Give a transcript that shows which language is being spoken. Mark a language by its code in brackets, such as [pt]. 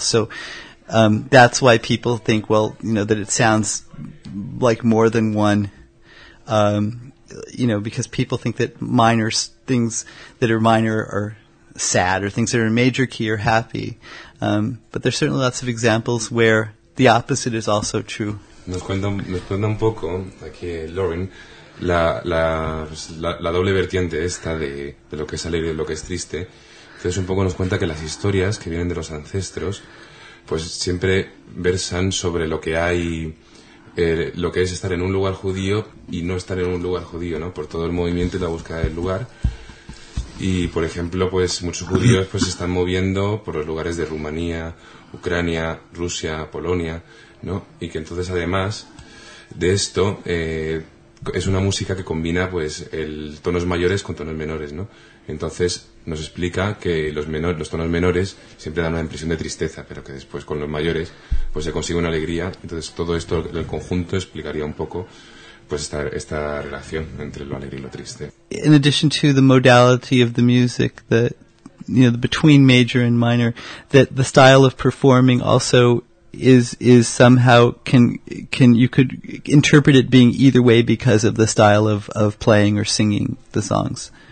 [en] So that's why people think, well, you know, that it sounds like more than one, you know, because people think that minor things that are minor are sad, or things that are in major key are happy. But there's certainly lots of examples where the opposite is also true. [es] Nos cuenta un poco aquí Lauren. La doble vertiente esta de lo que es alegre y de lo que es triste. Entonces un poco nos cuenta que las historias que vienen de los ancestros pues siempre versan sobre lo que hay, lo que es estar en un lugar judío y no estar en un lugar judío, ¿no? Por todo el movimiento y la búsqueda del lugar. Y, por ejemplo, pues muchos judíos pues se están moviendo por los lugares de Rumanía, Ucrania, Rusia, Polonia, ¿no? Y que entonces, además de esto, es una música que combina pues tonos mayores con tonos menores, ¿no? Entonces nos explica que los tonos menores siempre dan una impresión de tristeza, pero que después con los mayores pues se consigue una alegría. Entonces todo esto, el conjunto, explicaría un poco pues esta relación entre lo alegre y lo triste. [en] In addition to the modality of the music, the, you know, the between major and minor, that the style of performing also is somehow can you could interpret it being either way because of the style of playing or singing the songs.